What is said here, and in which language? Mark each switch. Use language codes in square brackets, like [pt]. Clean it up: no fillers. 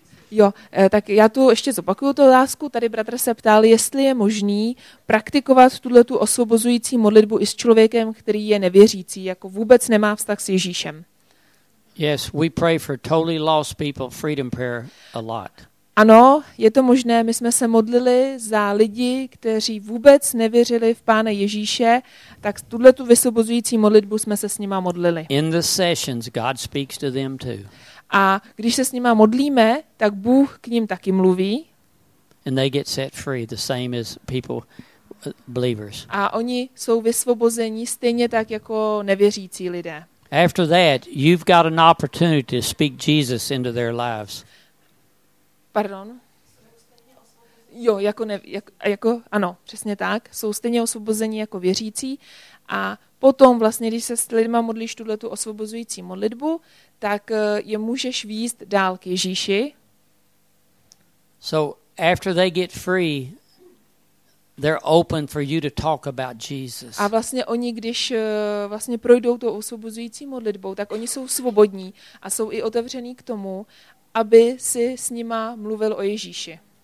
[cs] Jo, tak já tu ještě zopakuju tu otázku. Tady bratr se ptal, jestli je možný praktikovat tuhle tu osvobozující modlitbu i s člověkem, který je nevěřící, jako vůbec nemá vztah s Ježíšem. [en] Yes, we pray for totally lost people freedom prayer a lot. [cs] Ano, je to možné. My jsme se modlili za lidi, kteří vůbec nevěřili v Pána Ježíše, tak tuhle tu vysvobozující modlitbu jsme se s nima modlili. [en] In the sessions God speaks to them too. [cs] A když se s nima modlíme, tak Bůh k ním taky mluví. [en] And they get set free the same as people believers. [cs] A oni jsou vysvobozeni stejně tak jako nevěřící lidé. [en] After that, you've got an opportunity to speak Jesus into their lives. [cs] Pardon. Jo, jako ano, přesně tak. Jsou stejně osvobození jako věřící. A potom vlastně, když se s lidma modlíš tuhle tu osvobozující modlitbu, tak je můžeš vést dál k Ježíši. [en] So after they get free, they're open for you to talk about Jesus. [cs] A vlastně oni, když vlastně projdou tou osvobozující modlitbou, tak oni jsou svobodní a jsou i otevřený k tomu, aby si s nima mluvil o Ježíši.